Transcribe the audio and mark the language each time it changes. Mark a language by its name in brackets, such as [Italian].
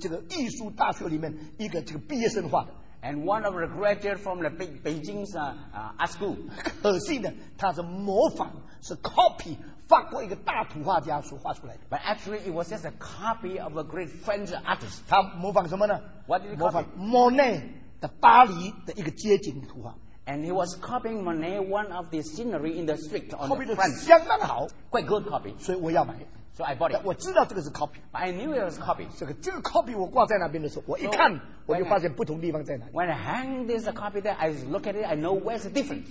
[Chinese] 是中国大陆北京大这个艺术大学里面一个这个毕业生画的。 [English] And one of the graduates from the Beijing's art school. [Chinese] 可惜的，他是模仿。是 copy 法国一个大图画家所画出来的 [English] ，But actually it was just a copy of a great French artist. [Chinese] 他模仿什么呢 [English] ？What did he copy? [Chinese] 模仿 Monet 的巴黎的一个街景图画。 [English] And he was copying Monet one of the scenery in the street on copy the front. [Chinese] 相当好 [English] ，quite good copy. [Chinese] 所以我要买。 [English] So I bought it. [Chinese] 我知道这个是 copy. [English] But I knew it was copy. [Chinese] 这个 copy 我挂在那边的时候，我一看， so 我就发现不同地方在哪里。 [English] When I hang this copy there, I look at it, I know where's the difference.